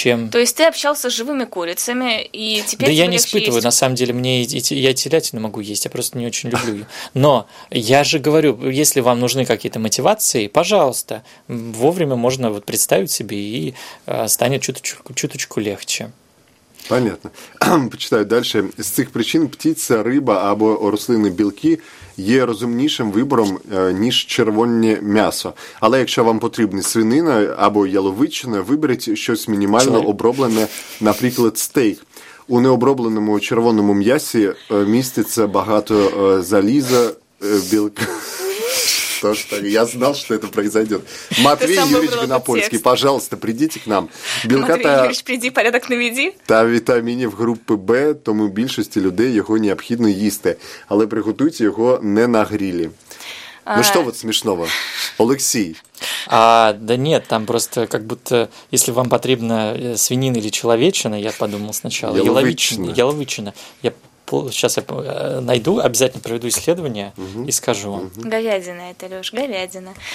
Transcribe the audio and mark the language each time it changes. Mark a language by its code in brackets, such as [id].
[ru] То есть ты общался с живыми курицами, и теперь... Да я не испытываю, на самом деле, мне я телятину могу есть, я просто не очень люблю ее. Но я же говорю, если вам нужны какие-то мотивации, пожалуйста, вовремя можно вот представить себе, и станет чуточку легче. Понятно. Почитаю дальше. [uk] «С цих причин птица, рыба або рослинні білки є розумнішим вибором, ніж червоне м'ясо. Але якщо вам потрібна свинина або яловичина, виберіть щось мінімально оброблене, наприклад, стейк. У необробленому червоному м'ясі міститься багато заліза, білка». [ru] Я знал, что это произойдет. Матвей Юрьевич Винопольский, пожалуйста, придите к нам. Белка-то... Матвей Юрьевич, приди, порядок наведи. [uk] Та витамінів групи Б, тому більшості людей його необхідно їсти. Але приготуйте його не на грилі. [ru] Ну что вот смешного? Олексій. Да нет, там просто как будто, если вам потребна свинина или человечина, я подумал сначала. Яловичина. Яловичина. Я сейчас я найду, обязательно проведу исследование и скажу вам. Говядина это, Лёш, говядина.